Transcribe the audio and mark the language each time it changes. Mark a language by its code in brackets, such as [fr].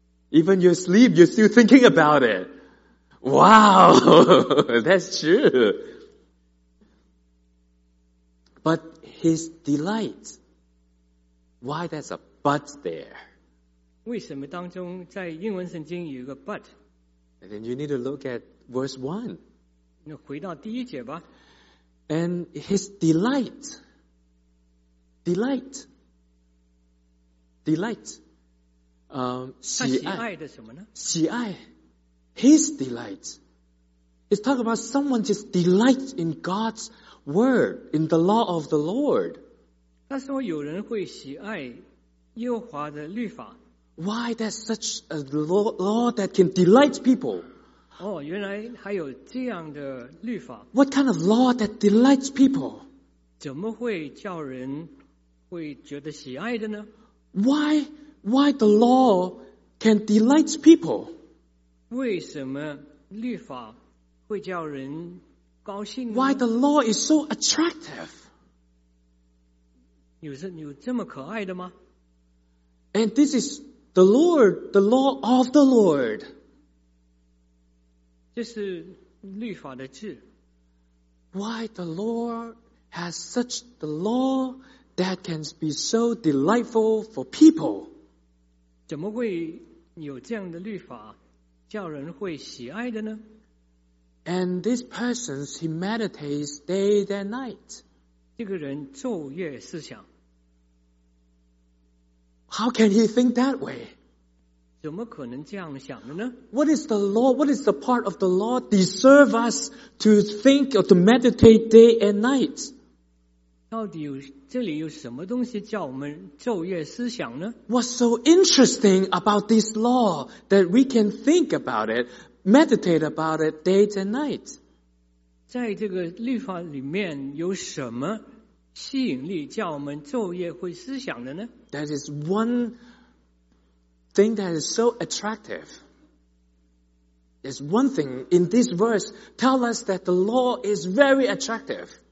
[en] Even you sleep, you're still thinking about it. Wow, that's true. But his delight, why there's a but there? [zh] 为什么当中在英文圣经有一个 but? [en] And then you need to look at verse 1. [zh] 那回到第一节吧。 [en] And his delight. [zh] 喜爱。他喜爱的什么呢？喜爱。 [en] His delight. It's talking about someone just delights in God's word, in the law of the Lord. [zh] 他说有人会喜爱耶和华的律法。 [en] Why there's such a law that can delight people? [zh] Oh, 原来还有这样的律法。 [en] What kind of law that delights people? [zh] 怎么会叫人会觉得喜爱的呢？ [en] Why the law can delight people? [zh] 为什么律法会叫人高兴呢？ [en] Why the law is so attractive? [zh] 有这么可爱的吗？ [en] And this is... The Lord, the law of the Lord. [zh] 这是律法的字。 [en] Why the Lord has such the law that can be so delightful for people? [zh] 怎么会有这样的律法叫人会喜爱的呢？ [en] And this person, he meditates day and night. [zh] 这个人昼夜思想。 [en] How can he think that way? [zh] 怎么可能这样想的呢? [en] What is the law? What is the part of the law deserve us to think or to meditate day and night? [zh] 到底这里有什么东西叫我们昼夜思想呢? [en] What's so interesting about this law that we can think about it, meditate about it day and night? [zh] 在这个律法里面有什么吸引力叫我们昼夜会思想的呢? [en] That is one thing that is so attractive. There's one thing in this verse tell us that the law is very attractive.